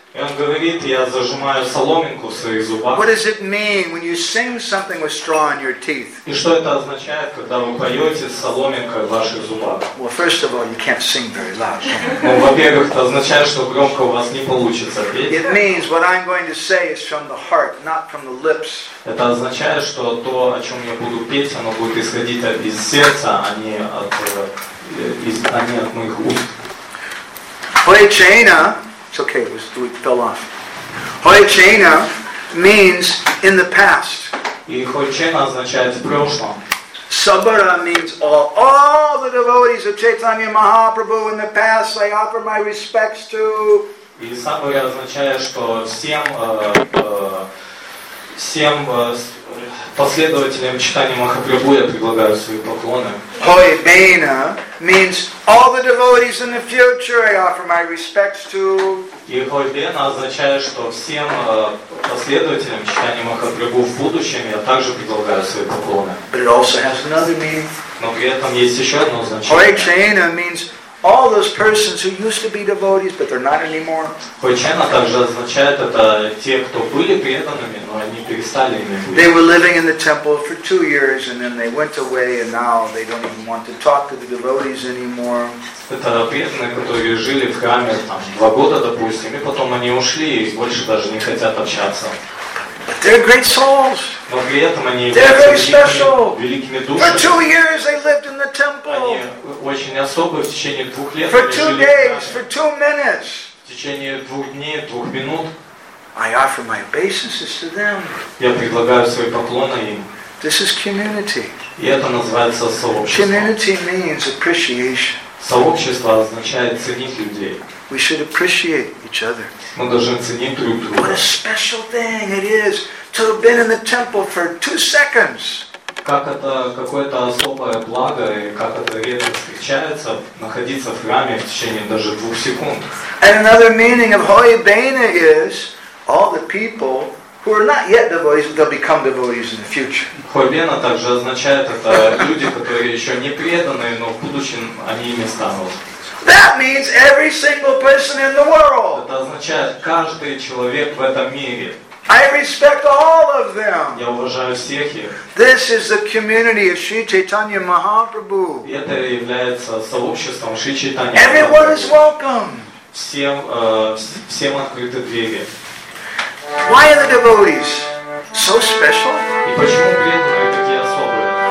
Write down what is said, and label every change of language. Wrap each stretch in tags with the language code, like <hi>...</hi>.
<ru>Он говорит, я зажимаю соломинку в своих зубах.</ru> <en>What does it mean when you sing something with straw in your teeth?</en> <ru>И что это означает, когда вы поете с соломинкой в ваших зубах?</ru> <en>Well, first of all, you can't sing very loud.</en> <ru>Ну, во-первых, это означает, что громко у вас не получится петь.</ru> <en>It means what I'm going to say is from the heart, not from the lips.</en> <ru>Это означает, что то, о чем я буду петь, оно будет исходить из сердца, а не от моих уст.</ru> <en>Hoychena, it's okay, it fell off. Hoychena means in the past.</en> <ru>И Hoychena означает в прошлом.</ru> <en>Sabara means all the devotees of Chaitanya Mahaprabhu in the past I offer my respects to.</en> <ru>И Sabara означает, что всем последователям Чайтанья Махапрабху я предлагаю свои поклоны.</ru> <en>Hoy Bena means all the devotees in the future I offer my respects to.</en> <ru>И Hoy Bena означает, что всем последователям Чайтанья Махапрабху в будущем я также предлагаю свои поклоны.</ru> <en>But it also has another meaning.</en> <ru>Но при этом есть еще одно значение.</ru> <en>Hoy Chena means all those persons who used to be devotees, but they're not anymore.</en> <ru>Hoychena также означает это те, кто были преданными, но они перестали ими быть.</ru> <en>They were living in the temple for 2 years, and then they went away, and now they don't even want to talk to the devotees anymore.</en> <ru>Это преданные, которые жили в храме там 2 года, допустим, и потом они ушли и больше даже не хотят общаться.</ru> <en>But they're great souls.</en> <ru>Но при этом они</ru> <en>they're very special.</en> <ru>Великими душами.</ru> <en>For 2 years they lived in the temple.</en> <ru>Они очень особые в течение 2 лет.</ru> <en>For 2 days, for 2 minutes.</en> <ru>В течение 2 дней, 2 минут.</ru> <en>I offer my obeisances to them.</en> <ru>Я предлагаю свои поклоны им.</ru> <en>This is community.</en> <ru>И это называется сообщество.</ru> <en>Community means appreciation.</en> <ru>Сообщество означает ценить людей.</ru> <en>We should appreciate each other.</en> <ru>Мы должны ценить друг друга.</ru> <en>What a special thing it is to have been in the temple for 2 seconds.</en> <ru>Как это какое-то особое благо и как это редко встречается находиться в храме в течение даже 2 секунд.</ru> <en>And another meaning of Hoy Bena is all the people who are not yet devotees, but they'll become devotees in the future.</en> <ru>Hoy Bena также означает это люди, которые еще не преданные, но в будущем они ими станут.</ru> <en>That means every single person in the world.</en> <ru>Это означает каждый человек в этом мире.</ru> <en>I respect all of them.</en> <ru>Я уважаю всех их.</ru> <en>This is the community of Sri Chaitanya Mahaprabhu.</en> <ru>Это является сообществом Шри Чайтанья.</ru> <en>Everyone is welcome.</en> <ru>Всем открыты двери.</ru> <en>Why are the devotees? so special?</en> <ru>И почему преданные такие особые?</ru>